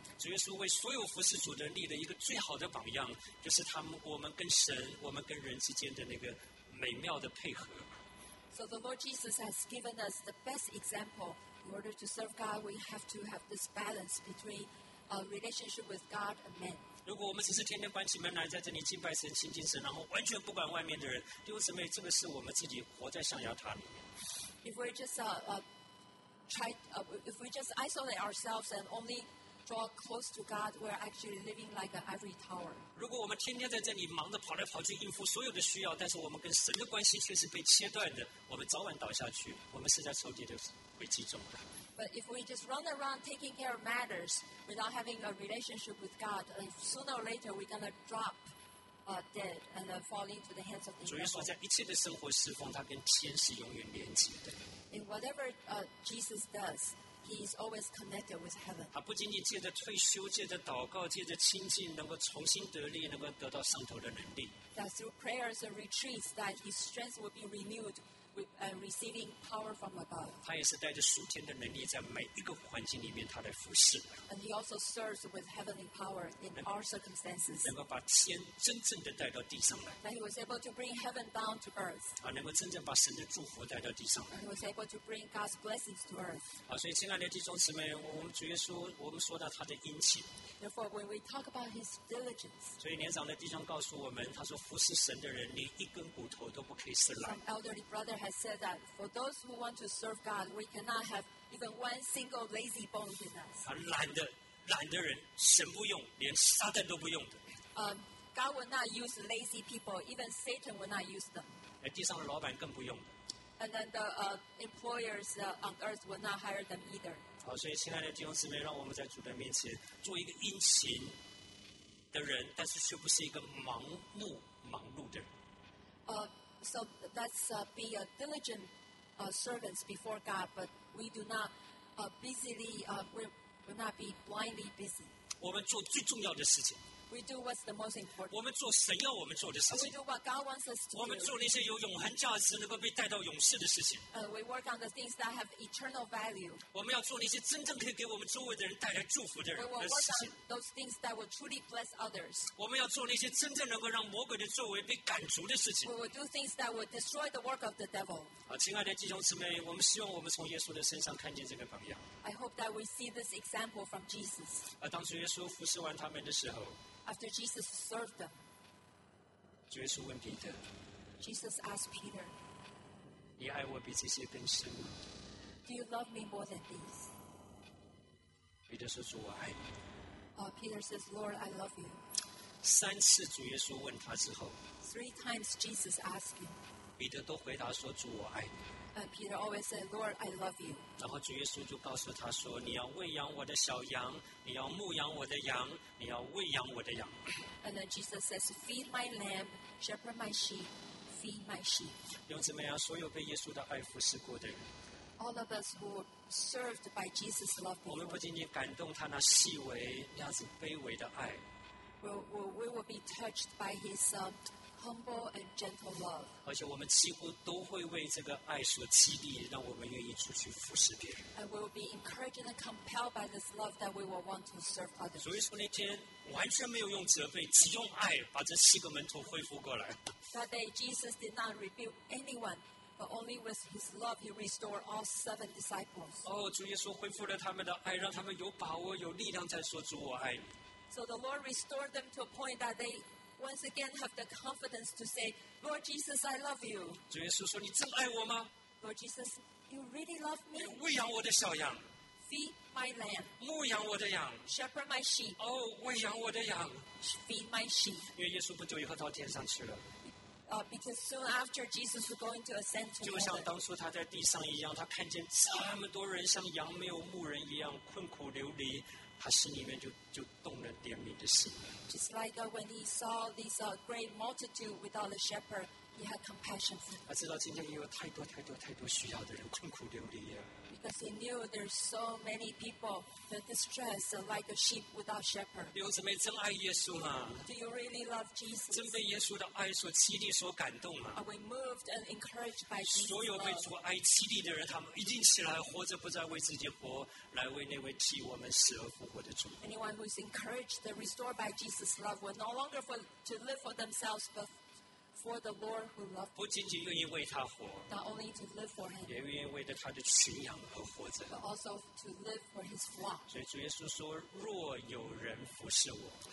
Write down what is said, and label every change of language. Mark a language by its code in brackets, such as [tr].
[zh] 主耶稣为所有服侍主的人立的一个最好的榜样，就是他们我们跟神、我们跟人之间的那个美妙的配合。 [en] So the Lord Jesus has given us the best example. In order to serve God, we have to have this balance between a relationship with God and men. [zh] 如果我们只是天天关起门来在这里敬拜神、亲近神，然后完全不管外面的人，弟兄姊妹，这个是我们自己活在象牙塔里面。 [en] If we just if we just isolate ourselves and only draw close to God, we're actually living like an ivory tower. [zh] 如果我们天天在这里忙着跑来跑去应付所有的需要，但是我们跟神的关系却是被切断的，我们早晚倒下去，我们是在仇敌的诡计中的。 [en] But if we just run around taking care of matters without having a relationship with God, sooner or later we're going to drop dead and fall into the hands of the devil. In whatever Jesus does, he is always connected with heaven. [zh] 他不仅仅借着退休、借着祷告、借着亲近，能够重新得力，能够得到上头的能力。 [en] That through prayers and retreats, that his strength will be renewed. Receiving power from above. [zh] 他也是带着属天的能力，在每一个环境里面，他来服侍。 [en] And he also serves with heavenly power in our circumstances. [zh] 能够把天真正的带到地上来。 [en] And he was able to bring heaven down to earth. [zh] 啊，能够真正把神的祝福带到地上来。 [en] And he was able to bring God's blessings to earth. [zh] 啊，所以亲爱的弟兄姊妹，我们主耶稣，我们说到他的殷勤。 [en] Therefore, when we talk about his diligence, [zh] 所以年长的弟兄告诉我们，他说服侍神的人，连一根骨头都不可以伸懒。 [en] Elderly brother has said that for those who want to serve God, we cannot have even one single lazy bone in us. [zh] 懒的人，神不用，连撒旦都不用的。 [en] God will not use lazy people, even Satan will not use them. [zh] 地上的老板更不用的。 [en] And then the employers on earth will not hire them either. [zh] 好，所以亲爱的弟兄姊妹，让我们在主的面前做一个殷勤的人，但是却不是一个盲目忙碌的人。 [en] So let's be a diligent servants before God, but we do not busily. We will not be blindly busy. [zh] 我们做最重要的事情。 [en] We do what's the most important. [zh] 我们做神要我们做的事情。 [en] We do what God wants us to do. [zh] 我们做那些有永恒价值、能够被带到永世的事情。 [en] We work on the things that have eternal value. [zh] 我们要做那些真正可以给我们周围的人带来祝福的人的事情。 [en] We will work on those things that will truly bless others. [zh] 我们要做那些真正能够让魔鬼的作为被赶逐的事情。 [en] We will do things that will destroy the work of the devil. [zh] 啊，亲爱的弟兄姊妹，我们希望我们从耶稣的身上看见这个榜样。 [en] I hope that we see this example from Jesus. [zh] 啊，当主耶稣服侍完他们的时候。 [en] After Jesus served them, [zh] 主耶稣问彼得。 [en] Jesus asked Peter, [zh] 你爱我比这些更深吗？ [en] Do you love me more than these? [zh] 彼得说主我爱你。 [en] Peter says, Lord, I love you. [zh] 三次主耶稣问他之后。 [en] Three times Jesus asked him. [zh] 彼得都回答说主我爱你。 [en] And Peter always said, Lord, I love you. [zh] 然后主耶稣就告诉他说，你要喂养我的小羊，你要牧养我的羊，你要喂养我的羊。 [en] And then Jesus says, feed my lamb, shepherd my sheep, feed my sheep. [zh] 用怎么样，所有被耶稣的爱服侍过的人。 [en] All of us who served by Jesus' love before. [zh] 我们不仅仅感动他那细微，那样子卑微的爱。 [en] We will be touched by his humble and gentle love. [zh] 而且我们几乎都会为这个爱所激励，让我们愿意出去服侍别人。 [en] And we'll be encouraged and compelled by this love that we will want to serve others. [zh] 所以说那天完全没有用责备，只用爱把这七个门徒恢复过来。 [en] That day Jesus did not rebuke anyone. But only with his love, he restored all seven disciples. [zh] Oh, 主耶稣恢复了他们的爱，让他们有把握、有力量在说：“主，我爱你。” [en] So the Lord restored them to a point that they once again have the confidence to say, "Lord Jesus, I love you." [zh] 主耶稣说：“你真爱我吗 [en] ？”Lord Jesus, you really love me. [zh] 喂养我的小羊。 [en] Feed my lamb. [zh] 牧养我的羊。 [en] Shepherd my sheep. [zh] Oh, 喂养我的羊。 [en] Feed my sheep. [zh] 因为耶稣不久以后到天上去了。 [en] Because soon after Jesus was going to ascend to heaven, [zh] 就像当初他在地上一样，他看见这么多人像羊没有牧人一样困苦流离，他心里面就动了怜悯的心。 [en] Just like when he saw this great multitude without a shepherd, he had compassion for them. [zh] 他知道今天也有太多太多太多需要的人困苦流离呀。 [en] Because he knew there's so many people that distress like a sheep without shepherd. [zh] 弟兄姊妹，真爱耶稣吗 [en] ？Do you really love Jesus? [zh] 真被耶稣的爱所激励、所感动吗 [en] ？Are we moved and encouraged by Jesus? [zh] 所有被主爱激励的人，他们一定起来，活着不再为自己活，来为那位替我们死而复活的主。 [en] Anyone who is encouraged and restored by Jesus' love will no longer for to live for themselves, but for the Lord who loved him, [zh] 不仅仅愿意为他活 [en] not only to live for him, [zh] 也愿意为着他的群羊而活着 [en] but also to live for his flock. [zh] 所以主耶稣说若有人服侍我